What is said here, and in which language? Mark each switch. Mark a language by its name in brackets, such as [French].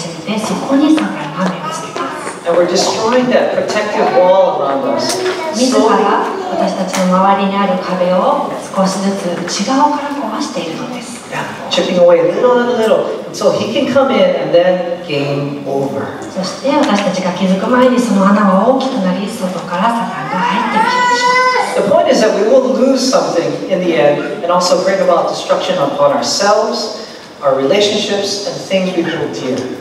[Japanese] そして少しずつ少しずつ心の中で何か異物が大きくなり始めて、そこにサタンが目をつけます。 [English] And we're destroying that protective wall around us. [Japanese] 自ら私たちの周りにある壁を少しずつ内側から壊しているのです。 [English] Yeah, chipping away little by little, so he can come in and then game over. [Japanese] そして私たちが気づく前にその穴は大きくなり、外からサタンが入ってきてしまう。 [English] The point is that we will lose something in the end, and also bring about destruction upon ourselves, our relationships, and things we hold dear.